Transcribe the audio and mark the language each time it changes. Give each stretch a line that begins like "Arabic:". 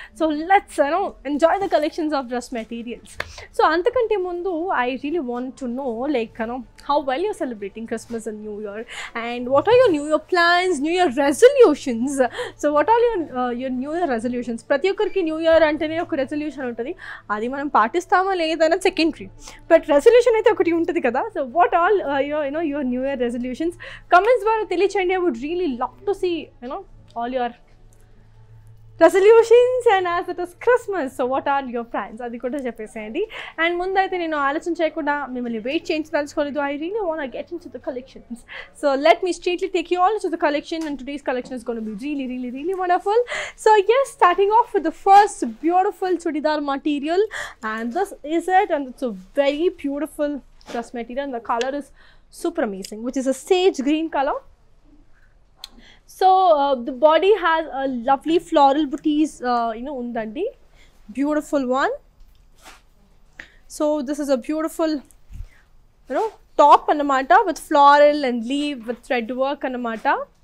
English: So let's, you know, enjoy the collections of dress materials. So
Telugu: antakante mundu
English: I really want to know, like, you know, how well you're celebrating Christmas and New Year and what are your New Year plans, New Year resolutions. So what are your New Year resolutions?
Telugu: Prati okariki New Year antane oka resolution untadi. అది మనం పాటిస్తామా లేదన్నా secondary, but resolution అయితే ఒకటి ఉంటుంది కదా.
English: so what all you know your new year resolutions
Telugu: comments ద్వారా తెలియచేయండి.
English: I would really love to see you know all your resolutions and as it is Christmas, so what are your plans
Telugu: అది కూడా చెప్పేసేయండి.
English: and
Telugu: ముందైతే నేను ఆలోచన చేయకుండా మిమ్మల్ని wait చేయించదలుచుకోలేదు.
English: I really want get in to the collections, so let me straightly take you all to the collection. And today's collection is gonna be really really really wonderful. So yes, starting off with the first beautiful churidar material and this is it. And it's a very beautiful dress material and the colour is super amazing, which is a sage green colour. So the body has a lovely floral booties, you know,
Telugu: undandi
English: beautiful one. So this is a beautiful, you know, top
Telugu: anamata
English: with floral and leaf with thread work anamata.